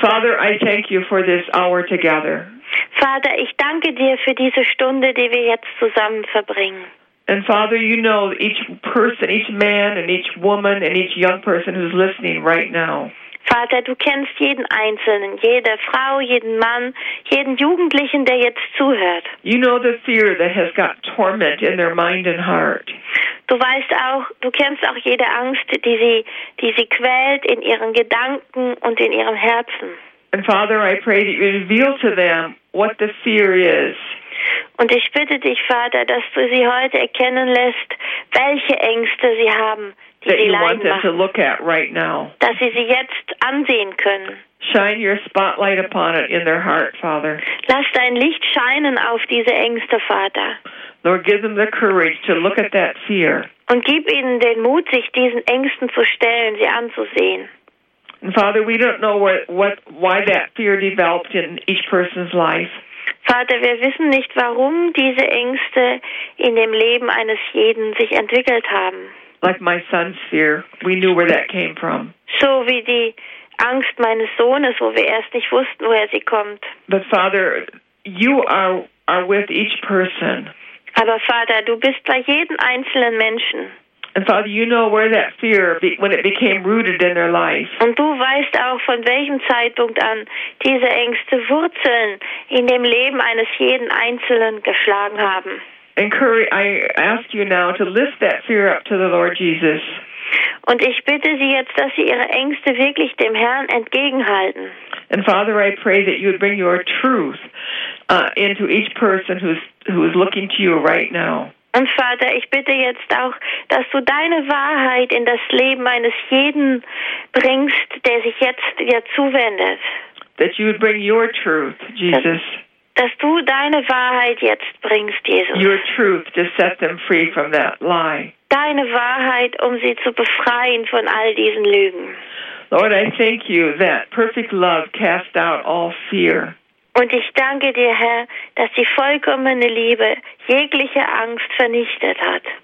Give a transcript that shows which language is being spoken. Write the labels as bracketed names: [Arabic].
[English] Father, I thank you for this hour together. [German] Vater, ich danke dir für diese Stunde, die wir jetzt zusammen verbringen. [English] And Father, you know each person, each man and each woman and each young person who's listening right now. [German] Vater, du kennst jeden Einzelnen, jede Frau, jeden Mann, jeden Jugendlichen, der jetzt zuhört. [English] You know the fear that has got torment in their mind and heart. [German] Du weißt auch, du kennst auch jede Angst, die sie quält in ihren Gedanken und in ihrem Herzen. [English] And Father, I pray that you reveal to them what the fear is. [German] Und ich bitte dich, Vater, dass du sie heute erkennen lässt, welche Ängste sie haben, die sie leiden machen. [English] To look at right now. [German] Dass sie sie jetzt ansehen können. [English] Shine your spotlight upon it in their heart, Father. [German] Lass dein Licht scheinen auf diese Ängste, Vater. [English] Lord, give them the courage to look at that fear. [German] Und gib ihnen den Mut, sich diesen Ängsten zu stellen, sie anzusehen. [English] And Father, we don't know why that fear developed in each person's life. [German] Vater, wir wissen nicht, warum diese Ängste in dem Leben eines jeden sich entwickelt haben. [English] Like my son's fear, we knew where that came from. [German] So wie die Angst meines Sohnes, wo wir erst nicht wussten, woher sie kommt. [English] But Father, you are with each person. [German] Aber Vater, du bist bei jedem einzelnen Menschen. [English] And Father, you know where that fear, when it became rooted in their life. [German] Und du weißt auch, von welchem Zeitpunkt an diese Ängste Wurzeln in dem Leben eines jeden Einzelnen geschlagen haben. [English] And Curry, I ask you now to lift that fear up to the Lord Jesus. [German] Und ich bitte sie jetzt, dass sie ihre Ängste wirklich dem Herrn entgegenhalten. [English] And Father, I pray that you would bring your truth into each person who is looking to you right now. [German] Und Vater, ich bitte jetzt auch, dass du deine Wahrheit in das Leben eines jeden bringst, der sich jetzt dir zuwendet. [English] That you would bring your truth, Jesus. [German] Dass du deine Wahrheit jetzt bringst, Jesus. [English] Your truth to set them free from that lie. [German] Deine Wahrheit, um sie zu befreien von all diesen Lügen. [English] Lord, I thank you that perfect love cast out all fear. [German] Und ich danke dir, Herr, dass die vollkommene Liebe jegliche Angst vernichtet hat.